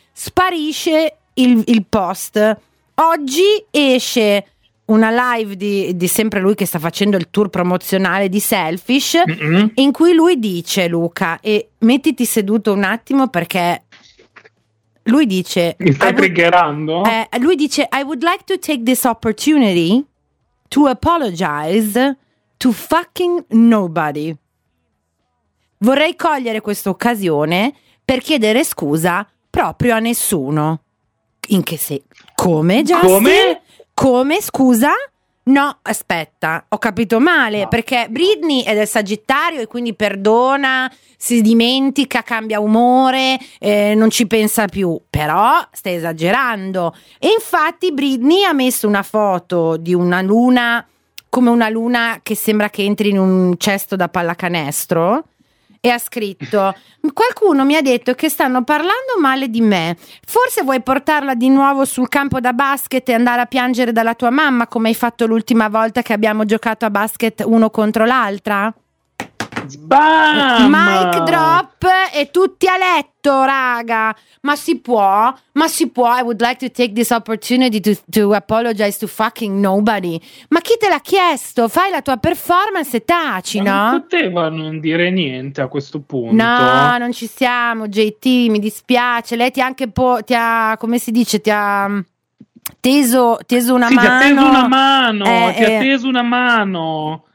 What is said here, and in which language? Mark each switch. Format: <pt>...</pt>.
<it>Sparisce il post. Oggi esce una live di sempre lui che sta facendo il tour promozionale di Selfish, in cui lui dice, Luca, e mettiti seduto un attimo perché lui dice: mi stai triggerando?</it> <en>Lui dice: I would like to take this opportunity to apologize to fucking nobody.</en> <it>Vorrei cogliere questa occasione per chiedere scusa proprio a nessuno. In che se? Come, Justin? Come? Come, scusa? No, aspetta, ho capito male, no. Perché Britney è del Sagittario e quindi perdona, si dimentica, cambia umore, non ci pensa più, però stai esagerando. E infatti Britney ha messo una foto di una luna, come una luna che sembra che entri in un cesto da pallacanestro, e ha scritto: qualcuno mi ha detto che stanno parlando male di me, forse vuoi portarla di nuovo sul campo da basket e andare a piangere dalla tua mamma come hai fatto l'ultima volta che abbiamo giocato a basket uno contro l'altra? Bam! Mic drop e tutti a letto, raga. Ma si può? Ma si può?</it> <en>I would like to take this opportunity to apologize to fucking nobody.</en> <it>Ma chi te l'ha chiesto? Fai la tua performance e taci, ma no? Non poteva non dire niente a questo punto. No, non ci siamo, JT, mi dispiace. Lei ti ha anche ti ha, come si dice, ti ha teso una, sì, Ti ha teso una mano, ti ha teso una mano.</it>